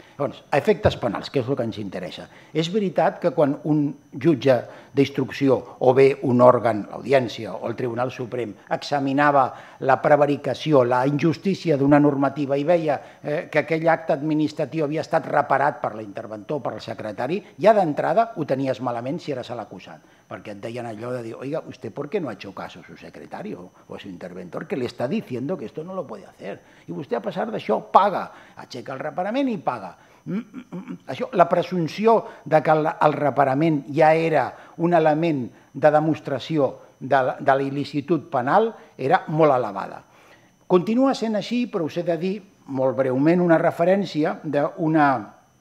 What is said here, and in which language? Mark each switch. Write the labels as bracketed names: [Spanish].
[Catalan] Llavors, efectes penals, que és el que ens interessa. És veritat que quan un jutge d'instrucció o bé un òrgan, l'Audiència o el Tribunal Suprem, examinava la prevaricació, la injustícia d'una normativa i veia que aquell acte administratiu havia estat reparat per l'interventor o per el secretari, ja d'entrada ho tenies malament si eres l'acusat. Perquè et deien allò de dir, [Spanish] oiga, usted por qué no ha hecho caso a su secretario o a su interventor que le está diciendo que esto no lo puede hacer. Y usted, [Catalan] a pesar d'això, paga, aixeca el reparament i paga. Això, la presumpció de que el reparament ja era un element de demostració de la il·licitud penal era molt elevada. Continua sent així, però us he de dir molt breument una referència d'una...